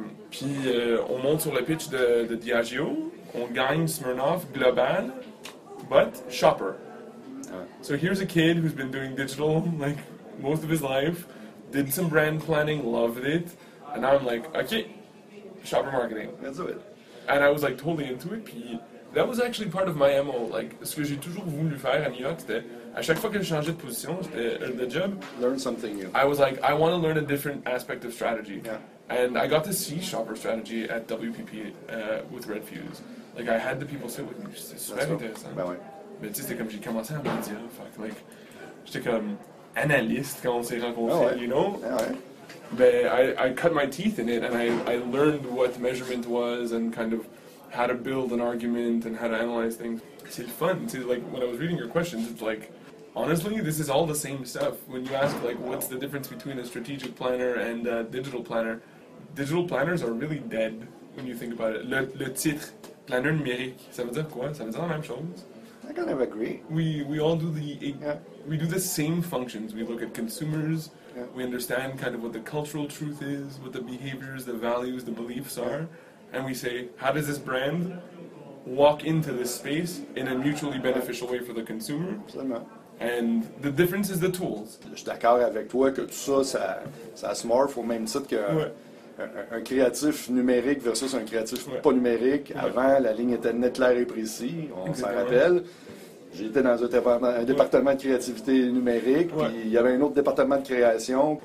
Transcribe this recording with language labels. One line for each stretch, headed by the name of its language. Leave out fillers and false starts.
French: Puis on monte sur le pitch de Diageo. On gagne Smirnoff Global,
English: but shopper. So here's a kid who's been doing digital, like... most of his life, did some brand planning, loved it, and now I'm like, okay, shopper marketing. Let's do it. And I was like totally into it, puis that was actually part of my MO.
French: Like, ce que j'ai toujours voulu faire à New York, c'était, à chaque fois que je changeais de position, c'était de job.
English: Learn something new. I was like, I want to learn a different aspect of strategy. Yeah. And I got to see shopper strategy at WPP with Red Fuse. Like, I had the people sit with me,
French: c'est super intéressant. Ben oui. Mais tu sais, c'était comme, j'ai commencé à me dire, fuck, like, j'étais comme... analyst quand on s'est rencontré,
English: you know? But I cut my teeth in it and I learned what measurement was and kind of how to build an argument and how to analyze things.
French: C'est fun.
English: See, like, when I was reading your questions, it's like, honestly, this is all the same stuff. When you ask, like, what's the difference between a strategic planner and a digital planner, digital planners are really dead when you think about it.
French: Le titre, planner numérique, ça veut dire quoi? Ça veut dire la même chose?
English: I kind of agree. We all do we do the same functions. We look at consumers. Yeah. We understand kind of what the cultural truth is, what the behaviors, the values, the beliefs are. And we say, how does this brand walk into this space in a mutually beneficial way for the consumer?
French: Absolument.
English: And the difference is the tools.
French: Je suis d'accord avec toi que tout ça, ça se morphe au même titre que un créatif numérique versus un créatif pas numérique. Ouais. Avant, la ligne était nette, claire et précise. On s'en rappelle. J'étais dans un département de créativité numérique, puis il y avait un autre département de création.